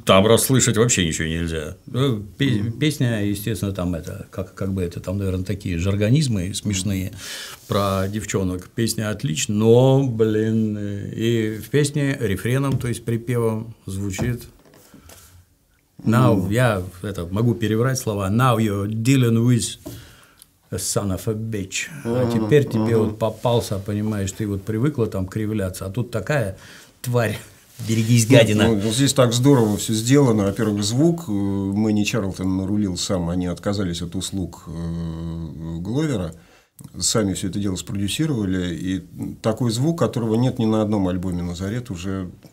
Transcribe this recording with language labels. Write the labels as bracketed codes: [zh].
[ru] Там расслышать вообще ничего нельзя. Песня, естественно, там это, как бы это, там, наверное, такие жаргонизмы смешные про девчонок. Песня отлично, но, блин, и в песне рефреном, то есть припевом, звучит. [en] Now, [ru] я это могу переврать слова. [en] Now you're dealing with a son of a bitch. [ru] А теперь тебе вот попался, понимаешь, ты вот привыкла там кривляться, а тут такая тварь. Берегись, гадина. Ну, здесь так здорово все сделано. Во-первых, звук Мэнни Чарлтон нарулил сам, они отказались от услуг Гловера, сами все это дело спродюсировали, и такой звук, которого нет ни на одном альбоме «Назарет» уже